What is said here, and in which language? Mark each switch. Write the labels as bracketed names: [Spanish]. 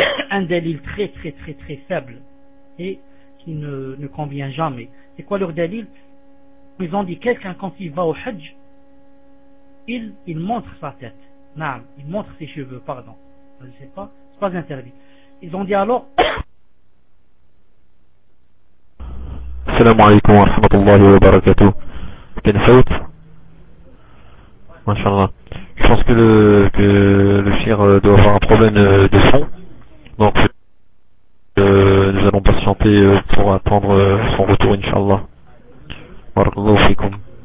[French] Un dalil très très très très faible et qui ne convient jamais. C'est quoi leur dalil? Ils ont dit quelqu'un quand il va au hajj, il montre sa tête. Naam, il montre ses cheveux, pardon. Je ne sais pas, c'est pas interdit. Ils ont dit alors. [Arabic] السلام عليكم ورحمة الله وبركاته. كان صوت ما شاء الله. [French] Je pense que le chir doit avoir un problème de son. Donc nous allons patienter pour attendre son retour inshallah. Barakallahu fikoum.